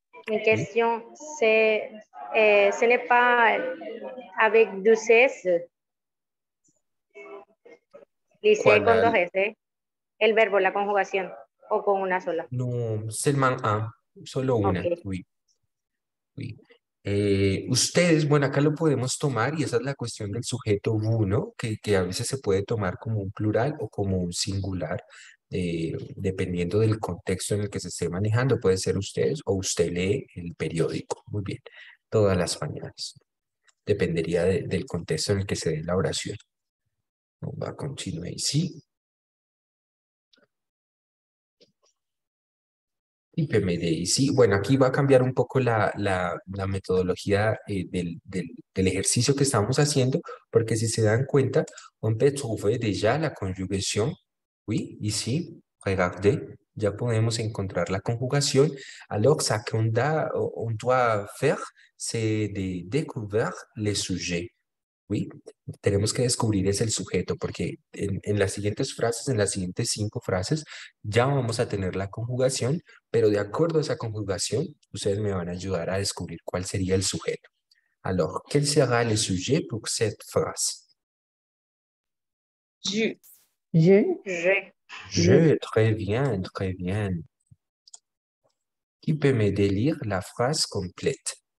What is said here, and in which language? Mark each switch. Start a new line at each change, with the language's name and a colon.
French: Mi question, c'est, ce n'est pas avec deux S.
Spanish: Lycée con dos S, el verbo, la conjugación, o con una sola. No,
French: seulement un,
Spanish: solo una.
French: Okay. Oui. Oui.
Spanish: Ustedes, bueno, acá lo podemos tomar y esa es la cuestión del sujeto vous, ¿no? Que a veces se puede tomar como un plural o como un singular, dependiendo del contexto en el que se esté manejando. Puede ser ustedes o usted lee el periódico. Muy bien, todas las mañanas. dependería del contexto en el que se dé la oración. Va a continuar y sí. Y PMDI, sí. Bueno, aquí va a cambiar un poco la metodología del ejercicio que estamos haciendo, porque si se dan cuenta,
French: on peut trouver déjà
Spanish: la conjugación, oui, y sí,
French: regardez,
Spanish: ya podemos encontrar la conjugación.
French: Alors, ce qu'on doit faire, c'est de découvrir le sujet.
Spanish: Oui, tenemos que descubrir es el sujeto, porque en las siguientes frases, en las siguientes cinco frases, ya vamos a tener la conjugación, pero de acuerdo a esa conjugación, ustedes me van a ayudar a descubrir cuál sería el sujeto.
French: Alors, quel sera le sujet pour cette phrase? Je. Très bien, très bien. Qui peut me délire la phrase complète?